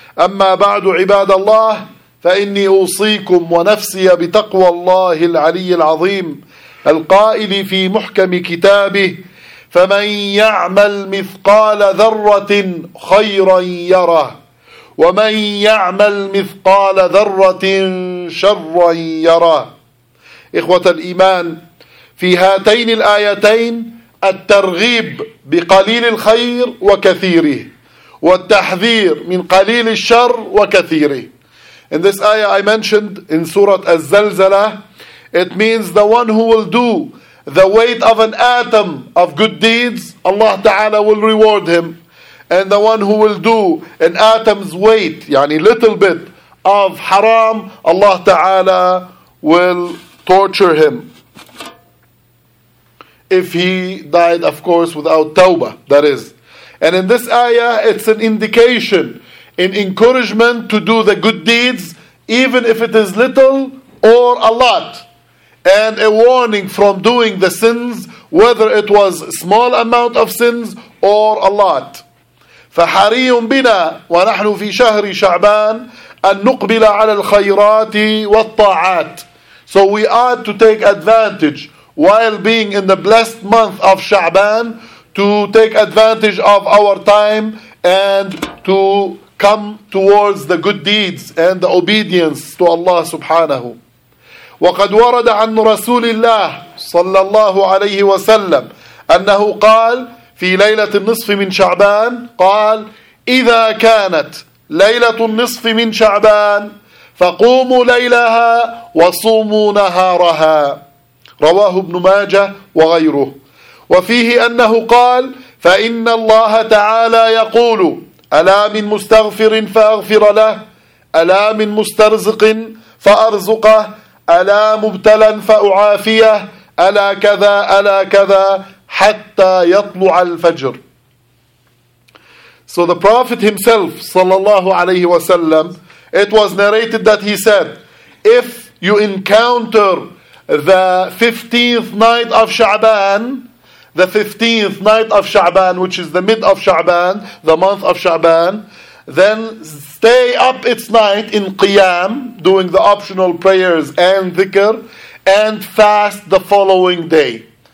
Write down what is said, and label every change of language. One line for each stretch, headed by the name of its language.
Arabic: أما بعد عباد الله، فإني أوصيكم ونفسي بتقوى الله العلي العظيم القائل في محكم كتابه: فمن يعمل مثقال ذرة خيرا يره، ومن يعمل مثقال ذرة شرا يره. إخوة الإيمان، في هاتين الآيتين الترغيب بقليل الخير وكثيره، والتحذير من قليل الشر وكثيره.
English: In this ayah I mentioned in Surah Al-Zalzala, it means the one who will do the weight of an atom of good deeds, Allah Ta'ala will reward him. And the one who will do an atom's weight, yani little bit of haram, Allah Ta'ala will torture him. If he died, of course, without tawbah, that is. And in this ayah, it's an indication, an encouragement to do the good deeds, even if it is little or a lot. And a warning from doing the sins, whether it was a small amount of sins or a lot.
Arabic: فحري بنا ونحن في شهر شعبان أن نقبل على الخيرات والطاعات.
English: So we ought to take advantage while being in the blessed month of شعبان, to take advantage of our time and to come towards the good deeds and the obedience to Allah سبحانه.
Arabic: وقد ورد عن رسول الله صلى الله عليه وسلم أنه قال في ليلة النصف من شعبان، قال: إذا كانت ليلة النصف من شعبان فقوموا ليلها وصوموا نهارها، رواه ابن ماجه وغيره. وفيه أنه قال: فإن الله تعالى يقول: ألا من مستغفر فأغفر له، ألا من مسترزق فأرزقه، ألا مبتلا فأعافيه، ألا كذا ألا كذا حتى يطلع الفجر.
English: So the Prophet himself sallallahu alayhi wa sallam, it was narrated that he said, if you encounter the 15th night of Sha'ban, the 15th night of Sha'ban, which is the mid of Sha'ban, the month of Sha'ban, then stay up its night in Qiyam, doing the optional prayers and dhikr, and fast the following day.